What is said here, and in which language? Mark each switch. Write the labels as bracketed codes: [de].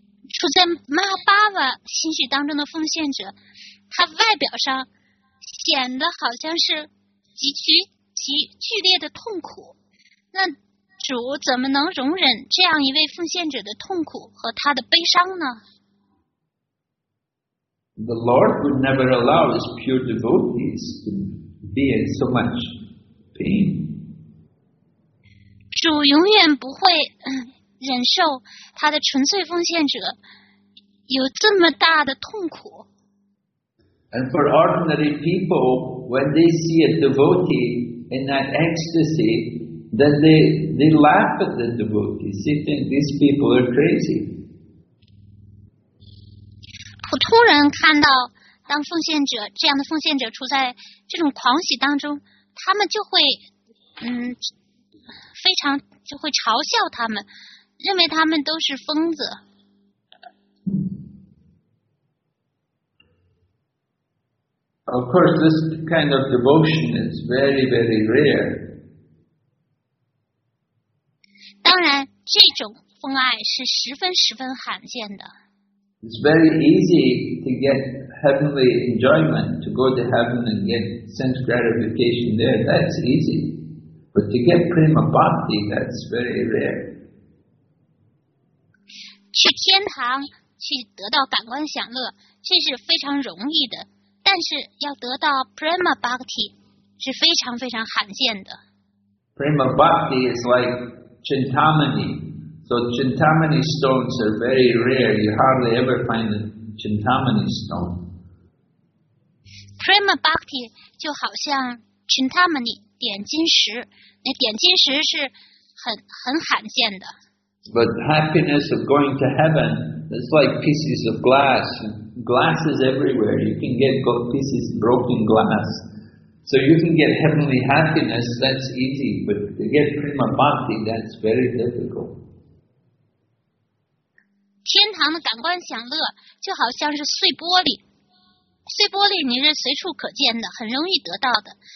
[zh] 处在玛哈巴巴情绪当中的奉献者，他外表上显得好像是极剧烈的痛苦，那主怎么能容忍这样一位奉献者的痛苦和他的悲伤呢？ [en] The Lord would never allow his pure devotees to be in so much pain. [zh] 主永远不会忍受他的纯粹奉献者有这么大的痛苦。 [en] And for ordinary people, when they see a devotee in that ecstasy, then they laugh at the devotee. They think these people are crazy. [zh] 普通人看到当奉献者这样的奉献者处在这种狂喜当中，他们就会非常就会嘲笑他们，认为他们都是疯子。 [en] Of course, this kind of devotion is very, very rare. [zh] 当然，这种疯爱是十分十分罕见的。 [en] It's very easy to get heavenly enjoyment, to go to heaven and get sense gratification there. That's easy. But to get prema bhakti, that's very rare. [zh] 去天堂去得到感官享乐，这是非常容易的。但是要得到 Prema Bhakti 是非常非常罕见的。 [en] Prema Bhakti is like Chintamani. So Chintamani stones are very rare. You hardly ever find a Chintamani stone. [zh] Prema Bhakti 就好像 Chintamani 点金石，那点金石是很罕见的。 [en] But happiness of going to heaven is like pieces of glass. Glass is everywhere. You can get pieces of broken glass. So you can get heavenly happiness, that's easy. But to get prema bhakti, that's very difficult. [zh] 天堂的感官享乐就好像是碎玻璃。碎玻璃你是随处可见的，很容易得到的。